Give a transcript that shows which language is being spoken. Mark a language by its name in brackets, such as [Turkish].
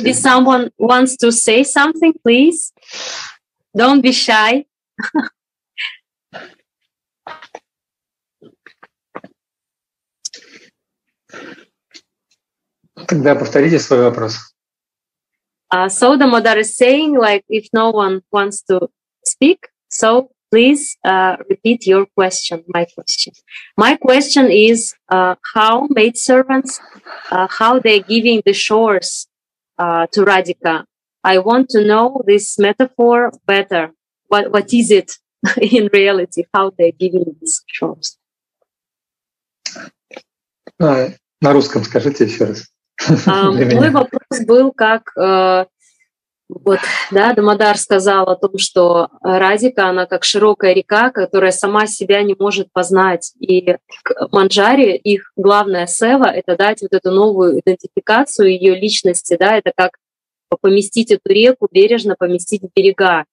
[English] Maybe someone wants to say something, please. Don't be shy. [Russian] Тогда повторите свой вопрос. [English] So the mother is saying, like, if no one wants to speak, so please repeat your question, my question. My question is how maidservants, how they're giving the chores to Radhika. I want to know this metaphor better. What is it in reality, how they're giving these chores? [Russian] На русском скажите еще раз. Мой вопрос был как... Вот, да, Дамодар сказал о том, что Радика, она как широкая река, которая сама себя не может познать. И к Манджари их главная сева — это дать вот эту новую идентификацию ее личности, да, это как поместить эту реку, бережно поместить в берега.